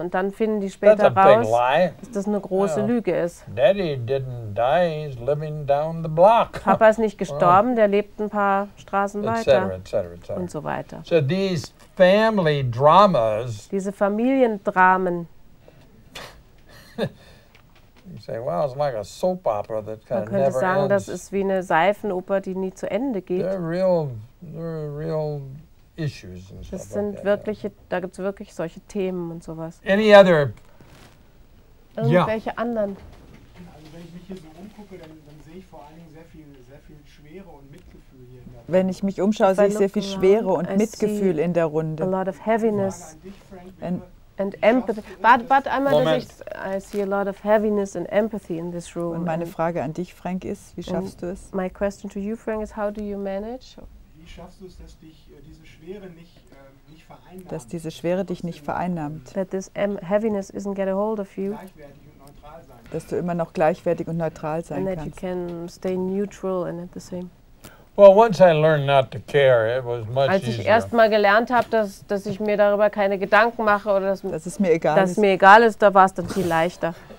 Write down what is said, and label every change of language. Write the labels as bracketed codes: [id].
[de] Und dann finden die später raus, dass das eine große Lüge ist. [en] Daddy didn't die, he's living down the block. [de] Papa ist nicht gestorben, der lebt ein paar Straßen weiter. [en] Et cetera. [de] Und so weiter. [en] So these family dramas. [de] Diese Familiendramen. [en] You say, well, it's like a soap opera that kind [de] man könnte [en] never [de] sagen, [en] ends. [de] Das ist wie eine Seifenoper, die nie zu Ende geht. [en] They're real issues and [de] das sind [en] like [de] wirkliche, da gibt es wirklich solche Themen und sowas. [en] Any other [de] irgendwelche anderen. Also wenn ich mich hier so umgucke, dann sehe ich vor allen Dingen sehr viel Schwere und Mitgefühl hier in der Runde. Wenn ich mich umschaue, sehe ich sehr viel Schwere und Mitgefühl in der Runde. [en] A lot of heaviness and empathy. [de] Warte einmal, [en] I see a lot of heaviness and empathy in this room. [de] Und meine Frage an dich, Frank, ist, wie schaffst du es? [en] My question to you, Frank, is how do you manage? [de] Wie schaffst du es, dass dich diese Schwere nicht vereinnahmt? Dass diese Schwere dich nicht vereinnahmt. [en] That this heaviness isn't get a hold of you. [de] Dass du immer noch gleichwertig und neutral sein kannst. [en] And that you can stay neutral and at the same. Well, once I learned not to care, it was much easier. [de] Als ich erst mal gelernt habe, dass ich mir darüber keine Gedanken mache oder dass es mir egal ist. Mir egal ist, da war es dann viel leichter.